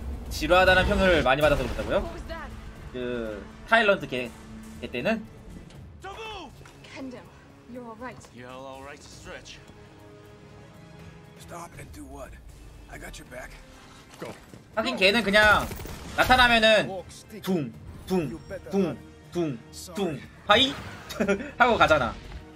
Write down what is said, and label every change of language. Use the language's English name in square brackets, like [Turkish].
[Korean] 지루하다는 평을 많이 받아서 그렇다고요? 그 타일런트 걔 때는? [English] Kendall, you're all right. You're all right to stretch. Stop and do what? I got your back. Go. [Korean] 하긴 걔는 그냥 나타나면은 둥둥둥둥둥 파이 하고 가잖아.